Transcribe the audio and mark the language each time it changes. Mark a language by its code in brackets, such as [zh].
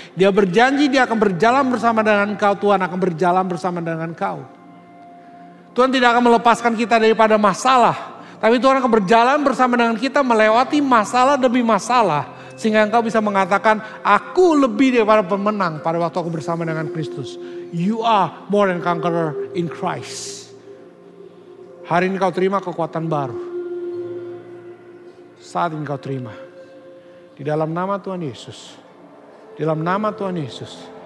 [id] Dia berjanji Dia akan berjalan bersama dengan kau. Tuhan akan berjalan bersama dengan kau. Tuhan tidak akan melepaskan kita daripada masalah. Tapi Tuhan akan berjalan bersama dengan kita melewati masalah demi masalah. Sehingga engkau bisa mengatakan, aku lebih daripada pemenang pada waktu aku bersama dengan Kristus. [en] You are more than conqueror in Christ. [id] Hari ini kau terima kekuatan baru. Saat ini kau terima. Di dalam nama Tuhan Yesus. Di dalam nama Tuhan Yesus.